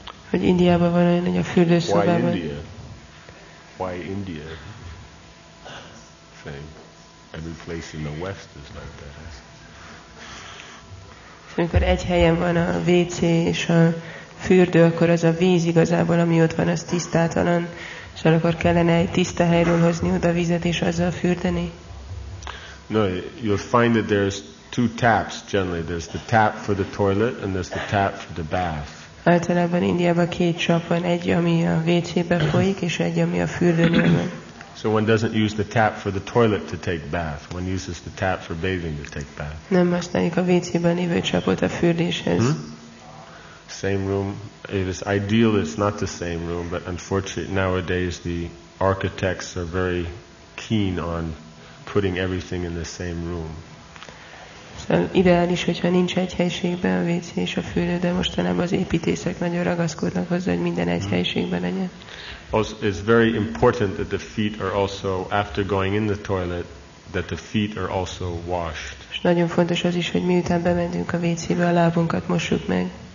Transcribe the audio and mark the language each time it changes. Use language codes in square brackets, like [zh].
[hu] Hogy Indiában van olyan, hogy a fürdőszobában. [en] Why India? Why India? Saying every place in the West is like that. [hu] Amikor egy helyen van a WC és a fürdő, akkor az a víz igazából, ami ott van, az tisztátalan. Szóval akkor kellene egy tiszta helyről hozni oda vizet és azzal fürdeni. [en] No, you'll find that there's two taps generally. There's the tap for the toilet and there's the tap for the bath. [hu] Általában Indiában két csap van, egy, ami a WC-be folyik, és egy, ami a fürdőnél van. [en] So one doesn't use the tap for the toilet to take bath. One uses the tap for bathing to take bath. [hu] Nem használjuk a WC-ben lévő csapot a fürdéshez. [en] Same room. It is ideal, it's not the same room, but unfortunately nowadays the architects are very keen on putting everything in the same room. [hu] Szóval ideális, hogyha nincs egy helységben a WC és a fürdő, de mostanában az építészek nagyon ragaszkodnak hozzá, hogy minden egy helységben legyen. [en] It's very important that the feet are also, after going in the toilet, that the feet are also washed. [hu] És nagyon fontos az is, hogy miután bementünk a WC-be, a lábunkat mossuk meg.